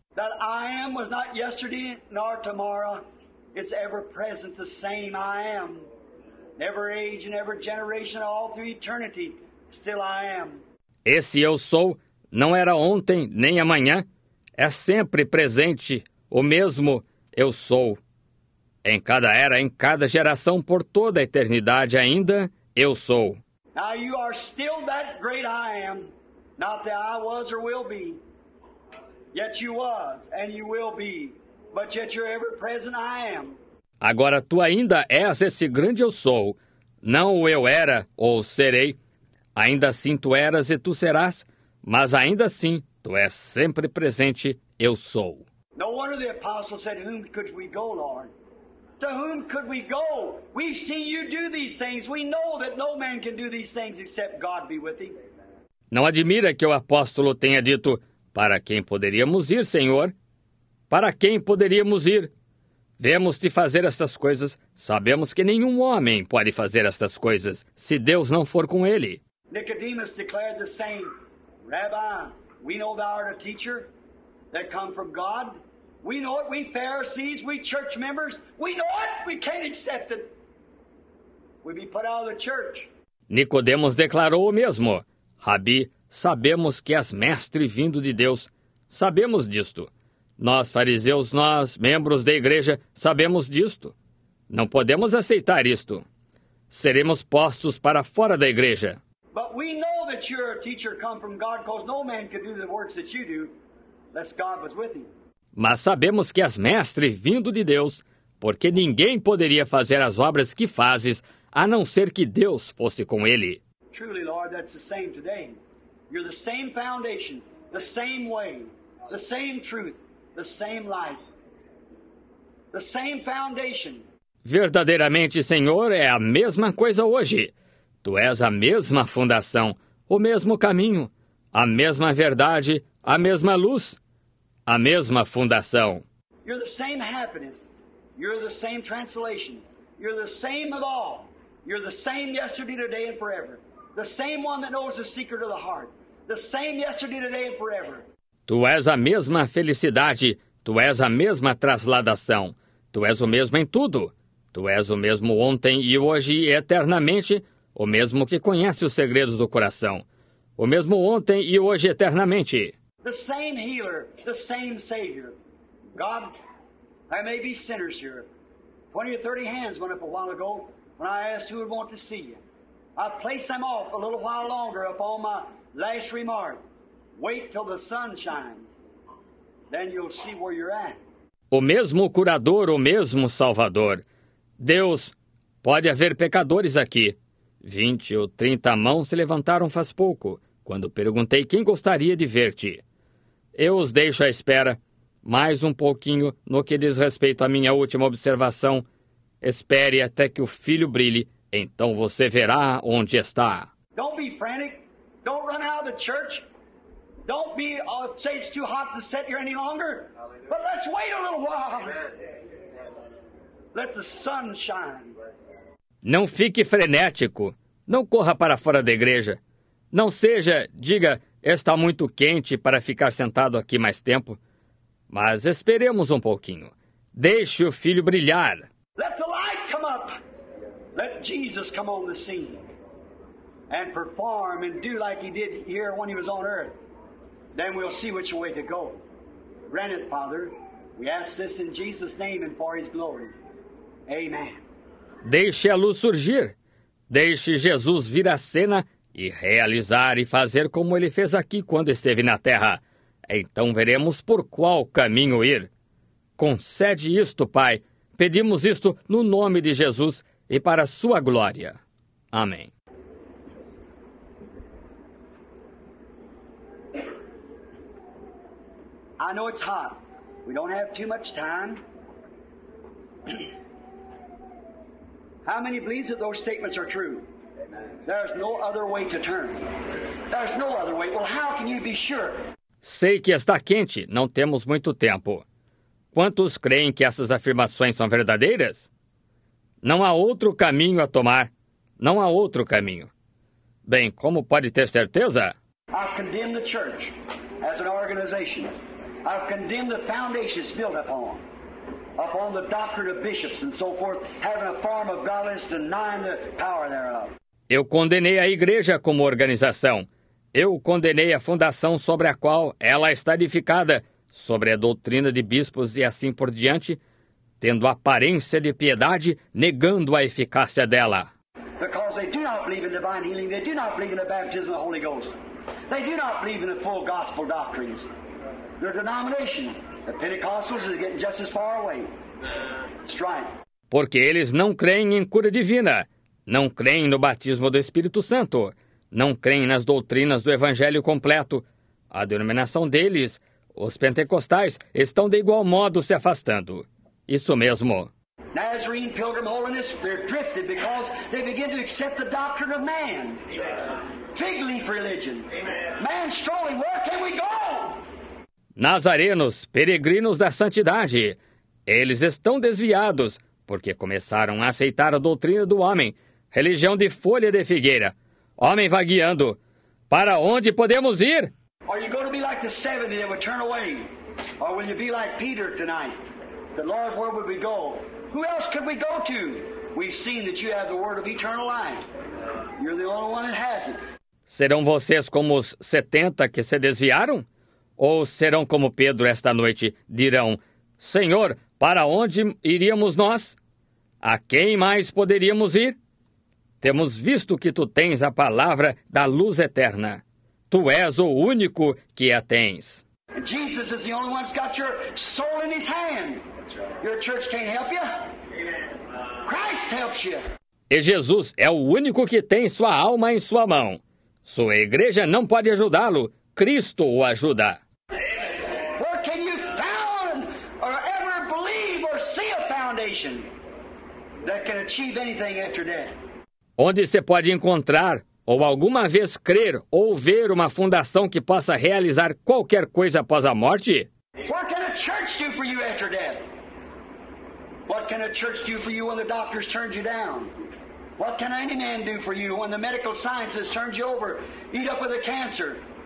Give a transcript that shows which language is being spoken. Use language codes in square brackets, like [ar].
[en] That I am was not yesterday nor tomorrow. It's ever present, the same I am. Every age and every generation, all through eternity, still I am. [pt] Esse eu sou não era ontem nem amanhã, é sempre presente, o mesmo eu sou. Em cada era, em cada geração, por toda a eternidade ainda, eu sou. [en] Now you are still that great I am, not that I was or will be. Yet you was and you will be, but yet you're ever present I am. [pt] Agora tu ainda és esse grande eu sou, não o eu era ou serei, ainda assim tu eras e tu serás, mas ainda assim tu és sempre presente, eu sou. [en] No wonder the apostle said, "Whom could we go, Lord? To whom could we go? We've seen you do these things. We know that no man can do these things except God be with him." [pt] Não admira que o apóstolo tenha dito, "Para quem poderíamos ir, Senhor? Para quem poderíamos ir? Vemos-te fazer estas coisas, sabemos que nenhum homem pode fazer estas coisas, se Deus não for com ele." [en] Nicodemus declared the same, "Rabbi, we know thou art a teacher that come from God. We know it, we Pharisees, we church members, we know it, we can't accept it. We'd be put out of the church. [pt] Nicodemos declarou o mesmo. Rabi, sabemos que és mestre vindo de Deus. Sabemos disto. Nós, fariseus, nós, membros da igreja, sabemos disto. Não podemos aceitar isto. Seremos postos para fora da igreja. [en] But we know that you're a teacher come from God, because no man could do the works that you do, unless God was with you. [pt] Mas sabemos que és mestre vindo de Deus, porque ninguém poderia fazer as obras que fazes, a não ser que Deus fosse com ele. [en] Truly, Lord, that's the same today. You're the same foundation, the same way, the same truth, the same life. The same foundation. [pt] Verdadeiramente, Senhor, é a mesma coisa hoje. Tu és a mesma fundação, o mesmo caminho, a mesma verdade, a mesma luz, a mesma fundação. [en] You're the same happiness. You're the same translation. You're the same of all. You're the same yesterday, today, and forever. The same one that knows the secret of the heart. The same yesterday, today, and forever. [pt] Tu és a mesma felicidade. Tu és a mesma trasladação. Tu és o mesmo em tudo. Tu és o mesmo ontem e hoje e eternamente, o mesmo que conhece os segredos do coração. O mesmo ontem e hoje eternamente. [en] The same healer, the same savior. God, there may be sinners here. 20 or 30 hands went up a while ago when I asked who would want to see you. I place them off a little while longer upon my last remark. Wait till the sun shines. Then you'll see where you're at. [pt] O mesmo curador, o mesmo salvador. Deus, pode haver pecadores aqui. 20 ou 30 mãos se levantaram faz pouco, quando perguntei quem gostaria de ver-te. Eu os deixo à espera. Mais um pouquinho no que diz respeito à minha última observação. Espere até que o filho brilhe, então você verá onde está. [en] Don't be frantic. Don't run out of the church. Don't be, say it's too hot to sit here any longer. But let's wait a little while. Let the sun shine. [pt] Não fique frenético. Não corra para fora da igreja. Não seja, diga, está muito quente para ficar sentado aqui mais tempo. Mas esperemos um pouquinho. Deixe o filho brilhar. [en] Let the light come up. Let Jesus come on the scene and perform and do like he did here when he was on earth. Then we'll see which way to go. Grant it, Father. We ask this in Jesus' name and for his glory. Amen. [pt] Deixe a luz surgir. Deixe Jesus vir à cena e realizar e fazer como ele fez aqui quando esteve na terra. Então veremos por qual caminho ir. Concede isto, Pai. Pedimos isto no nome de Jesus e para a sua glória. Amém. [en] I know it's hot. We don't have too much time. How many believe that those statements are true? There's no other way to turn. There's no other way. Well, how can you be sure? [pt] Sei que está quente. Não temos muito tempo. Quantos creem que essas afirmações são verdadeiras? Não há outro caminho a tomar. Não há outro caminho. Bem, como pode ter certeza? [en] I've condemned the church as an organization. I've condemned the foundations built upon the doctrine of bishops and so forth, having a form of godliness, denying the power thereof. [pt] Eu condenei a igreja como organização. Eu condenei a fundação sobre a qual ela está edificada, sobre a doutrina de bispos e assim por diante, tendo aparência de piedade, negando a eficácia dela. [en] Because they do not believe in divine healing, they do not believe in the baptism of the Holy Ghost. They do not believe in the full gospel doctrines. Their denomination, the Pentecostals, is getting just as far away. Strike. [pt] Porque eles não creem em cura divina. Não creem no batismo do Espírito Santo. Não creem nas doutrinas do Evangelho completo. A denominação deles, os pentecostais, estão de igual modo se afastando. Isso mesmo. [en] Nazarene, Pilgrim, Holiness, they're drifted because they begin to accept the doctrine of man. Fig leaf religion. Man strolling, where can we go? [pt] Nazarenos, peregrinos da santidade. Eles estão desviados porque começaram a aceitar a doutrina do homem. Religião de folha de figueira. Homem vagueando. Para onde podemos ir? [en] Are you going to be like the 70 that would turn away? Or will you be like Peter tonight? Said, Lord, where would we go? Who else could we go to? We've seen that you have the word of eternal life. You're the only one that has it. [pt] Serão vocês como os 70 que se desviaram? Ou serão como Pedro esta noite? Dirão, Senhor, para onde iríamos nós? A quem mais poderíamos ir? Temos visto que tu tens a palavra da luz eterna. Tu és o único que a tens. [en] Jesus is the only one that's got your soul in his hand. Your church can't help you. Christ helps you. [pt] E Jesus é o único que tem sua alma em sua mão. Sua igreja não pode ajudá-lo. Cristo o ajuda. [en] Where can you found or ever believe or see a foundation that can achieve anything after death? [pt] Onde você pode encontrar ou alguma vez crer ou ver uma fundação que possa realizar qualquer coisa após a morte? [en] What can a church do for you after death? What can a church do for you when the doctors turned you down? What can any man do for you when the medical sciences turned you over, eat up with a cancer?